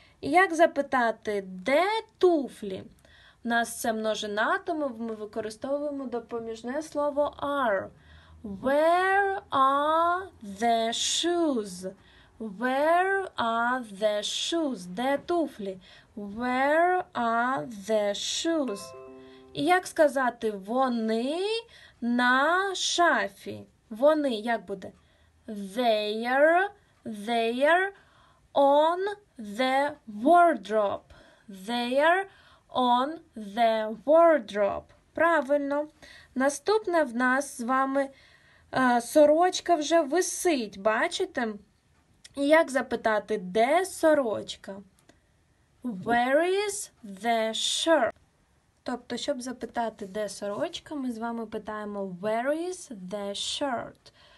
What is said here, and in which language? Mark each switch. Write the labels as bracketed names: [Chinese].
[Ukrainian] І як запитати, де туфлі? У нас це множина, тому ми використовуємо допоміжне слово are. [English] Where are the shoes? Where are the shoes? [Ukrainian] Де туфлі? [English] Where are the shoes? [Ukrainian] І як сказати вони на шафі? Вони як буде? [English] They are on the wardrobe. They are on the wardrobe. [Ukrainian] Правильно. Наступне в нас з вами сорочка вже висить. Бачите? І як запитати, де сорочка? [English] Where is the shirt? [Ukrainian] Тобто, щоб запитати, де сорочка, ми з вами питаємо [English] Where is the shirt?